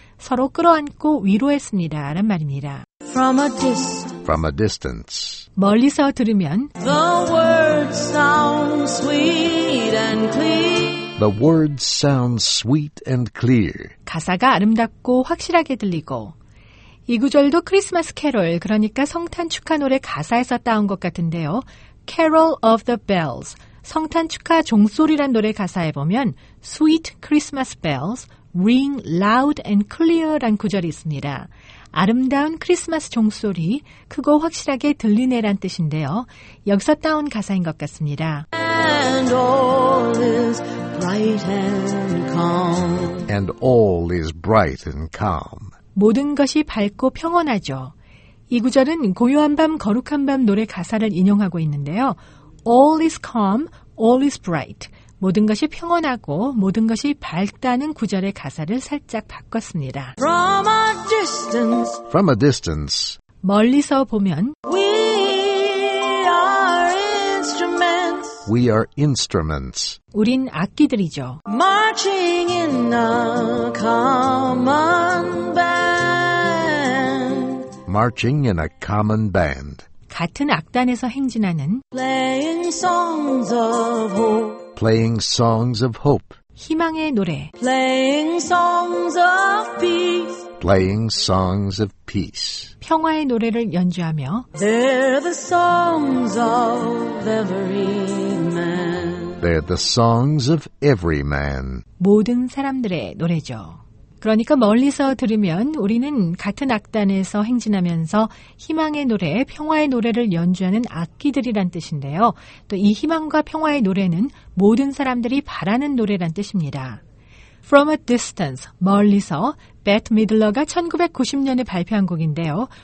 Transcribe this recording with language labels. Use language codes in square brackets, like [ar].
[ko] 서로 끌어안고 위로했습니다. 라는 말입니다. [en] From a distance. [ko] 멀리서 들으면 [en] The words sound sweet and clear. The words sound sweet and clear. [ko] 가사가 아름답고 확실하게 들리고 이 구절도 크리스마스 캐롤, 그러니까 성탄 축하 노래 가사에서 따온 것 같은데요. Carol of the Bells, 성탄 축하 종소리란 노래 가사에 보면 [en] Sweet Christmas Bells ring loud and clear [ko] 란 구절이 있습니다. 아름다운 크리스마스 종소리, 크고 확실하게 들리네란 뜻인데요. 여기서 따온 가사인 것 같습니다. [en] And all is bright and calm. And all is bright and calm. [ko] 모든 것이 밝고 평온하죠. 이 구절은 고요한 밤, 거룩한 밤 노래 가사를 인용하고 있는데요. [en] All is calm, all is bright. [ko] 모든 것이 평온하고 모든 것이 밝다는 구절의 가사를 살짝 바꿨습니다. [en] From a distance. From a distance. [ko] 멀리서 보면 [en] We are instruments. We are instruments. [ko] 우린 악기들이죠. [en] Marching in a common band. Marching in a common band. [ko] 같은 악단에서 행진하는 [en] Playing songs of hope. Playing songs of hope. [ko] 희망의 노래. [en] Playing songs of peace. Playing songs of peace. [ko] 평화의 노래를 연주하며. [en] They're the songs of every man. They're the songs of every man. [ko] 모든 사람들의 노래죠. 그러니까 멀리서 들으면 우리는 같은 악단에서 행진하면서 희망의 노래, 평화의 노래를 연주하는 악기들이란 뜻인데요. 또 이 희망과 평화의 노래는 모든 사람들이 바라는 노래란 뜻입니다. From a distance, 멀리서, Bette Midler가 1990년에 발표한 곡인데요.